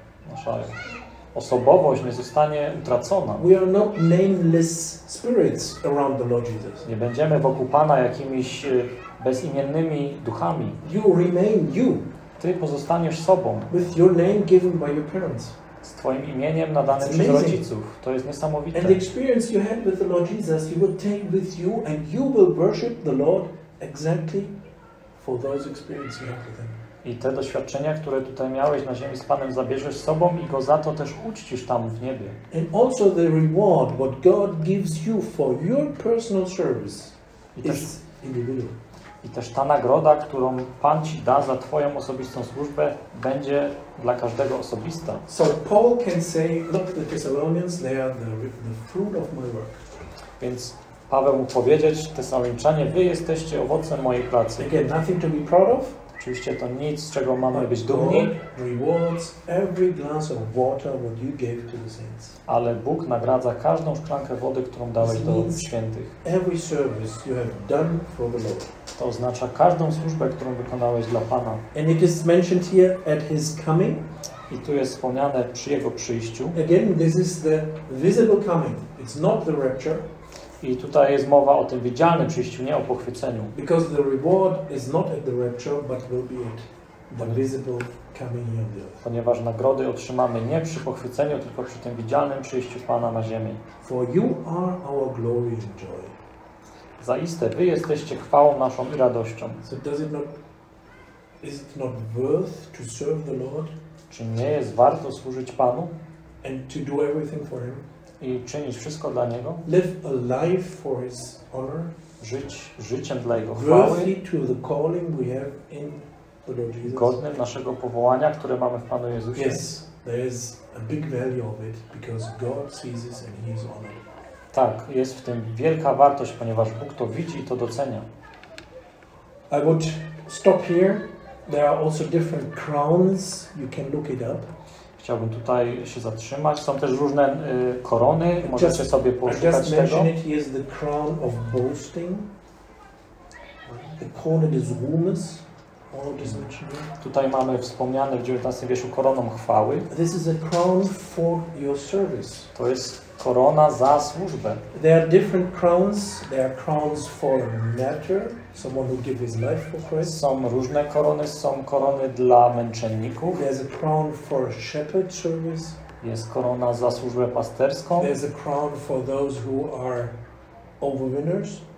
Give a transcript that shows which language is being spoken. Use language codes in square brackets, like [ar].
[pl] nasza osobowość nie zostanie utracona. [en] We are not nameless spirits around the Lord Jesus. [pl] Nie będziemy wokół Pana jakimiś bezimiennymi duchami. [en] You remain you. [pl] Ty pozostaniesz sobą. [en] With your name given by your parents. [pl] Z Twoim imieniem nadanym przez [en] amazing. [pl] Rodziców. To jest niesamowite. [en] And the experience you had with the Lord Jesus, you will take with you and you will worship the Lord exactly for those experiences you have with him. [pl] I te doświadczenia, które tutaj miałeś na ziemi z Panem, zabierzesz z sobą i Go za to też uczcisz tam w niebie. [en] And also the reward what God gives you for your personal service is individual. [pl] I też ta nagroda, którą Pan Ci da za Twoją osobistą służbę, będzie dla każdego osobista. [en] So Paul can say, look, the Thessalonians, they are the fruit of my work. [pl] Więc Paweł mógł powiedzieć, Thessaloniczanie, Wy jesteście owocem mojej pracy. [en] Again, nothing to be proud of. [pl] Oczywiście to nic, z czego mamy być dumni. [en] Rewards every glass of water what you gave to the saints. [pl] Ale Bóg nagradza każdą szklankę wody, którą dałeś do świętych. [en] Every service you have done for the Lord. [pl] To oznacza każdą służbę, którą wykonałeś dla Pana. [en] And it is mentioned here at his coming. [pl] I tu jest wspomniane przy jego przyjściu. [en] Again, this is the visible coming. It's not the rapture. [pl] I tutaj jest mowa o tym widzialnym przyjściu, nie o pochwyceniu. [en] Because the reward is not at the rapture, but will be at the visible coming of the earth. [pl] Ponieważ nagrody otrzymamy nie przy pochwyceniu, tylko przy tym widzialnym przyjściu Pana na ziemi. [en] For you are our glory and joy. [pl] Zaiste, Wy jesteście chwałą naszą i radością. [en] So does it not, is it not worth to serve the Lord? [pl] Czy nie jest warto służyć Panu? [en] And to do everything for Him? [pl] I czynić wszystko dla Niego. [en] Live a life for His honor. [pl] Żyć życiem dla Jego chwały. [en] To the calling we have in the Lord Jesus. [pl] Godnym naszego powołania, które mamy w Panu Jezusie. [en] Yes, there is a big value of it because God sees it and He is honored. [pl] Tak, jest w tym wielka wartość, ponieważ Bóg to widzi i to docenia. [en] I would stop here. There are also different crowns. You can look it up. [pl] Chciałbym tutaj się zatrzymać. Są też różne korony. Możecie sobie poszukać tego. [en] I just mentioned it is the crown of boasting. The crown is woman's. All this mentioned. [pl] Tutaj mamy wspomniane w 19 wierszu koroną chwały. [en] This is a crown for your service. [pl] To jest korona za służbę. [en] There are different crowns. There are crowns for martyr. Someone who gives his life for Christ. [pl] Są różne korony, są korony dla męczenników. [en] There's a crown for shepherd service. [pl] Jest korona za służbę pasterską. [en] There's a crown for those who are overwinners.